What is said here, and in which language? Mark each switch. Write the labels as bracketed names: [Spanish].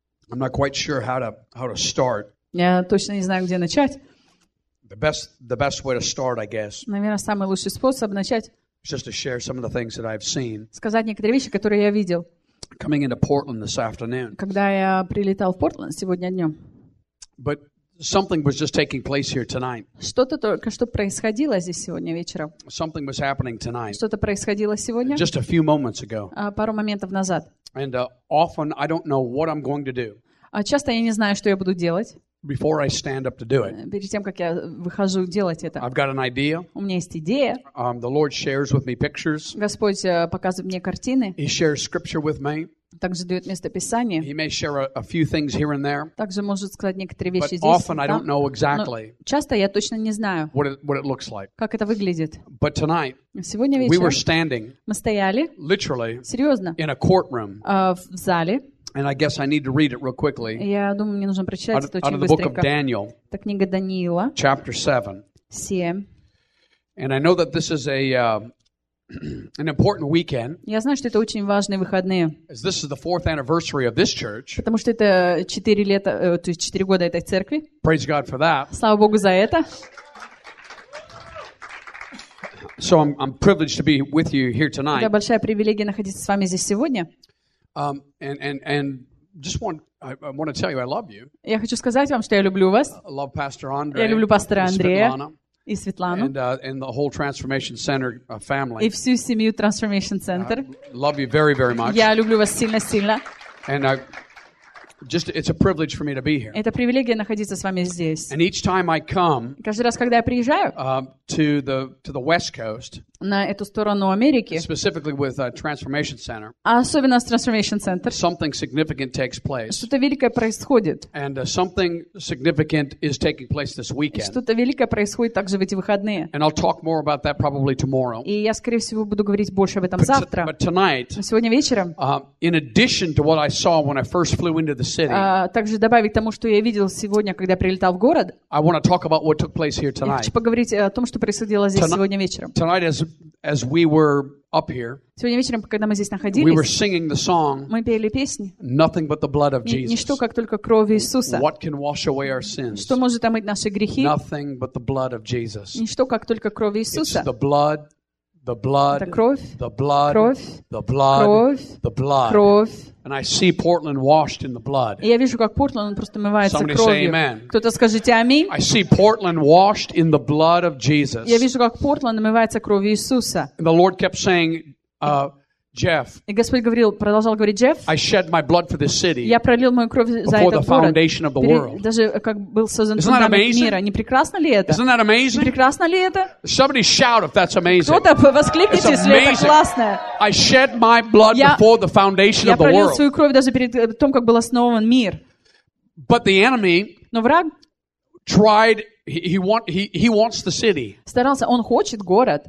[English] I'm not quite sure how to start. [Russian] Я точно не знаю, где начать. [English] The best way to start, I guess. [Russian] Наверное, самый лучший способ начать. [English] Just to share some of the things that I've seen. [Russian] Сказать некоторые вещи, которые я видел. [English] Coming into Portland this afternoon. [Russian] Когда я прилетал в Портленд сегодня днем. [English] But Something was just taking place here tonight. [Russian] Что-то только что происходило здесь сегодня вечером. [English] Something was happening tonight. [Russian] Что-то происходило сегодня. [English] Just a few moments ago. [Russian] Пару моментов назад. [English] And often I don't know what I'm going to do. [Russian] Часто я не знаю, что я буду делать. [English] Before I stand up to do it. [Russian] Перед тем, как я выхожу делать это. [English] I've got an idea. [Russian] У меня есть идея. [English] The Lord shares with me pictures. [Russian] Господь показывает мне картины. [English] He shares scripture with me. [Russian] Также дает место Писания. [English] He may share a few things here and there. [Russian] Также может сказать некоторые вещи [English] but [Russian] здесь. [English] Often [Russian] там. [English] I don't know exactly. [Russian] Но часто я точно не знаю. [English] What it looks like. [Russian] Как это выглядит. [English] But tonight. [Russian] Сегодня вечером. [English] We were standing. [Russian] Мы стояли. [English] Literally. [Russian] Серьезно. [English] In a courtroom. [Russian] В зале. [English] And I guess I need to read it real quickly. [Russian] Я думаю, мне нужно прочитать это очень быстренько. [English] The book of Daniel. [Russian] Это книга Даниила. [English] Chapter 7. [Russian] 7. [English] And I know that this is an important weekend. [Russian] Я знаю, что это очень важные выходные. [English] This is the fourth anniversary of this church. [Russian] Потому что это 4 лета, то есть 4 года этой церкви. [English] Praise God for that. [Russian] Слава Богу за это. [English] So I'm privileged to be with you here tonight. [Russian] У меня большая привилегия находиться с вами здесь сегодня. [English] And just want I want to tell you I love you. [Russian] Я хочу сказать вам, что я люблю вас. [English] I love Pastor Andre. [Russian] Я люблю пастора Андрея и Светлану. [English] And the whole Transformation Center family. [Russian] И всю семью Transformation Center. [English] Love you very very much. [Russian] Я люблю вас сильно сильно. [English] And just it's a privilege for me to be here. [Russian] Это привилегия находиться с вами здесь. [English] And each time I come. [Russian] Каждый раз, когда я приезжаю. [English] To the West Coast. [Russian] На эту сторону Америки. [English] Specifically with Transformation Center. [Russian] Особенно с Transformation Center. [English] Something significant takes place. [Russian] Что-то великое происходит. [English] And something significant is taking place this weekend. [Russian] Что-то великое происходит также в эти выходные. [English] And I'll talk more about that probably tomorrow. [Russian] И я, скорее всего, буду говорить больше об этом завтра. [English] But tonight. [Russian] Сегодня вечером. [English] In addition to what I saw when I first flew into the city. [Russian] Также добавить тому, что я видел сегодня, когда прилетал в город. [English] I want to talk about what took place here tonight. [Russian] Я хочу поговорить о том, что происходило здесь сегодня вечером. [English] Tonight as we were up here. [Russian] Сегодня вечером, когда мы здесь находились. [English] We were singing the song. [Russian] Мы пели песни. [English] Nothing but the blood of Jesus. [Russian] Ничто, как только кровь Иисуса. [English] What can wash away our sins? [Russian] Что может омыть наши грехи? [English] Nothing but the blood of Jesus. [Russian] Ничто, как только кровь Иисуса. [English] It's the blood. [Russian] Это кровь. [English] The blood. [Russian] Кровь. [English] The blood. [Russian] Кровь. [English] The blood. [Russian] Кровь. [English] And I see Portland washed in the blood. [Russian] Я вижу, как Портленд просто омывается кровью. [English] Somebody say amen. [Russian] Кто-то скажите аминь. [English] I see Portland washed in the blood of Jesus. [Russian] Я вижу, как Портленд омывается кровью Иисуса. [English] And the Lord kept saying, Jeff. [Russian] И Господь говорил, продолжал говорить, Джефф. [English] I shed my blood for this city. [Russian] Я пролил мою кровь за этот город. [English] Before the foundation of the world. [Russian] Даже как был создан фундамент мира. Не прекрасно ли это? [English] Isn't that amazing? [Russian] Не прекрасно ли это? [English] Somebody shout if that's amazing. [Russian] Кто-то воскликните, если это классно. [English] I shed my blood before the foundation of the world. [Russian] Я пролил свою кровь даже перед тем, как был основан мир. [English] But the enemy. [Russian] Но враг. [English] Tried. He wants the city. [Russian] Старался, он хочет город.